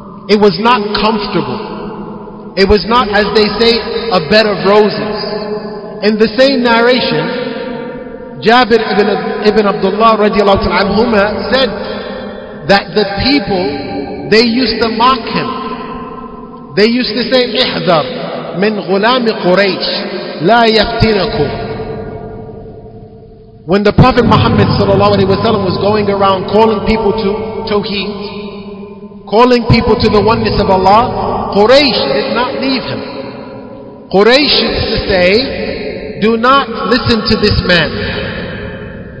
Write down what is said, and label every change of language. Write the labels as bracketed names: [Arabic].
[English] It was not comfortable. It was not, as they say, a bed of roses. In the same narration, Jabir ibn Abdullah radiallahu ta'ala anhuma said that the people, they used to mock him. They used to say, [Arabic] احذر من غلام قريش لا يفتنكم. [English] When the Prophet Muhammad sallallahu alaihi wasallam was going around calling people to Tawheed, calling people to the oneness of Allah, Quraysh did not leave him. Quraysh used to say, do not listen to this man.